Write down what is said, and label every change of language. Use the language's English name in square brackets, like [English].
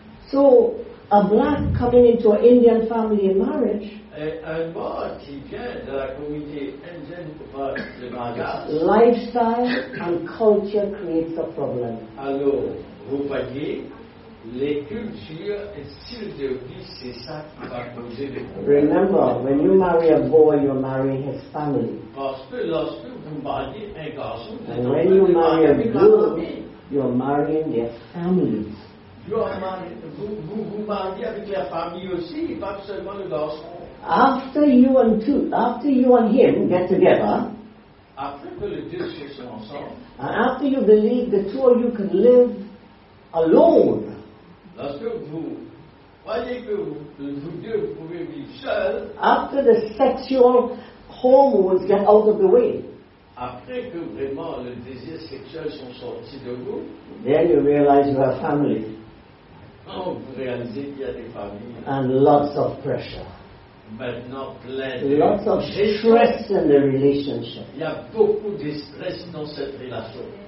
[English] So, a black coming into an Indian family in marriage, lifestyle and culture creates a problem. [French] Alors, vous voyez, les cultures et style de vie, c'est ça qui va causer des problèmes. [English] Remember, when you marry a boy, you're marrying his family. [French] Parce que lorsque vous mariez un garçon, [English] and when you marry a girl, you're marrying their families. After you and two, after you and him get together, and after you believe the two of you can live alone, [French] lorsque vous voyez que vous deux pouvez vivre seul, [English] after the sexual hormones get out of the way, [French] après que vraiment les désirs sexuels sont sortis de vous, [English] then you realize you have family. [French] Oh, vous réalisez qu'il y a des familles. [English] And lots of pressure. [French] Maintenant, plein de [English] lots of stress in the relationship. [French] Il y a beaucoup de stress dans cette relation.